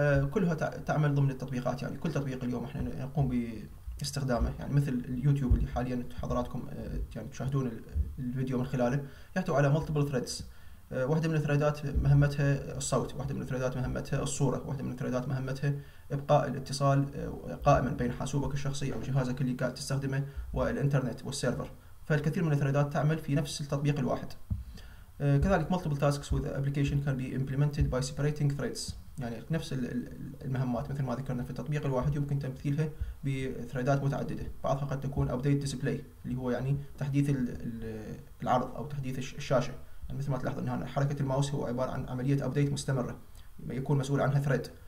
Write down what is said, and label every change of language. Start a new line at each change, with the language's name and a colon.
Arabic: كلها تعمل ضمن التطبيقات، يعني كل تطبيق اليوم احنا نقوم باستخدامه، يعني مثل اليوتيوب اللي حاليا حضراتكم يعني تشاهدون الفيديو من خلاله، يحتوي على مالتيبل ثريدز. واحده من الثريدات مهمتها الصوت، واحده من الثريدات مهمتها الصوره، واحده من الثريدات مهمتها ابقاء الاتصال قائما بين حاسوبك الشخصي او جهازك اللي قاعد تستخدمه والانترنت والسيرفر. فالكثير من الثريدات تعمل في نفس التطبيق الواحد. كذلك
English: multiple tasks with application can be implemented by separating threads.
Arabic: يعني نفس المهمات مثل ما ذكرنا في التطبيق الواحد يمكن تمثيلها بثريدات متعددة، بعضها قد تكون أبديت ديسبلاي اللي هو يعني تحديث العرض أو تحديث الشاشة، يعني مثل ما تلاحظ أن حركة الماوس هو عبارة عن عملية أبديت مستمرة يكون مسؤول عنها ثريد.